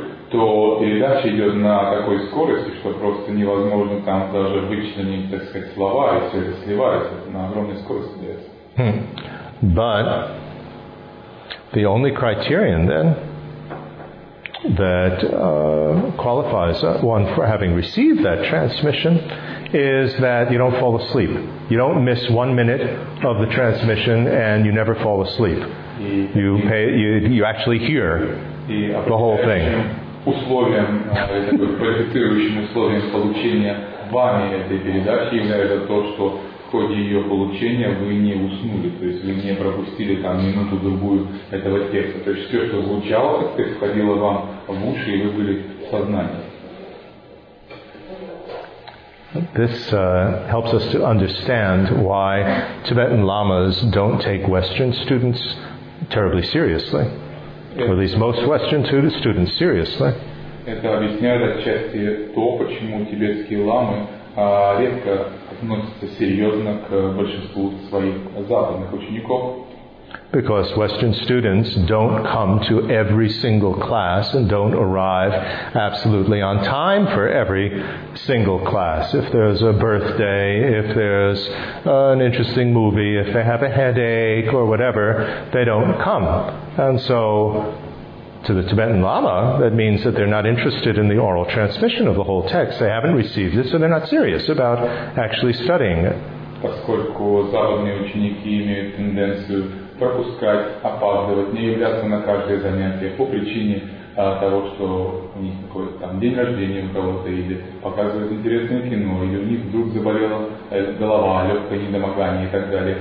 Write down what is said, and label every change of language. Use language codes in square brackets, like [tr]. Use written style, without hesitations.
[ru] То передача идет на такой скорости, что просто невозможно там даже вычленить, так сказать, слова, и все это сливается, это на огромной скорости дается. [en] But the only criterion then that qualifies one for having received that transmission is that you don't fall asleep. You don't miss 1 minute of the transmission and you never fall asleep. You actually hear the whole thing. [ru] Условием, квалифицирующим условием получения вами этой передачи является то, что в ходе ее получения вы не уснули, то есть вы не пропустили там минуту-другую этого текста. То есть все, что звучало, как ты входило вам в уши, и вы были в сознании. [en] This helps us to understand why Tibetan lamas don't take Western students terribly seriously. Or at least most Western students seriously. [ru] Это объясняет отчасти то, почему тибетские ламы редко относятся серьезно к большинству своих западных учеников. [en] Because Western students don't come to every single class and don't arrive absolutely on time for every single class. If there's a birthday, if there's an interesting movie, if they have a headache or whatever, they don't come. And so, to the Tibetan Lama, that means that they're not interested in the oral transmission of the whole text. They haven't received it, so they're not serious about actually studying it. [ru] Поскольку западные ученики имеют тенденцию пропускать, опаздывать, не являться на каждое занятие по причине того, что у них какой-то там день рождения у кого-то или показывают интересное кино, или у них вдруг заболела голова, легкое недомогание и так далее.